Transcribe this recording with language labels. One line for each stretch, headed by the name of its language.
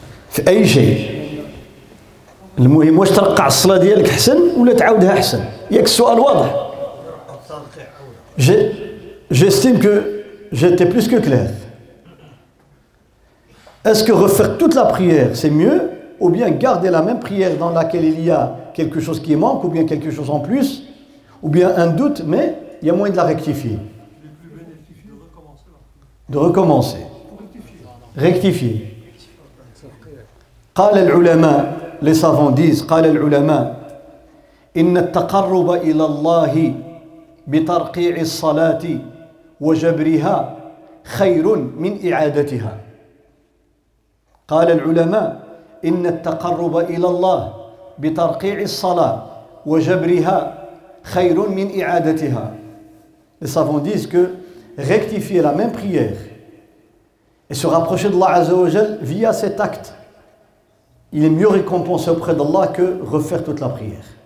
Arabic: في أي شيء. المهم واش ترقع الصلاة ديالك حسن ولا تعاودها حسن؟ ياك السؤال واضح.
French: J'estime que j'étais plus que clair. Est-ce que refaire toute la prière, c'est mieux? Ou bien garder la même prière dans laquelle il y a quelque chose qui manque, ou bien quelque chose en plus, ou bien un doute, mais il y a moyen de la rectifier. Le plus bénéfique, de recommencer. De recommencer. Rectifier.
Arabic: قال العلماء,
French: les savants disent,
Arabic: قال العلماء, إن التقرب إلى الله بترقيع الصلاة وجبرها خير من إعادتها. قال العلماء, إن التقرب إلى الله بترقيع الصلاة وجبرها خير من إعادتها.
French: Les savants disent que rectifier la même prière et se rapprocher d'Allah Azza wa Jal via cet acte, il est mieux récompensé auprès d'Allah que refaire toute la prière.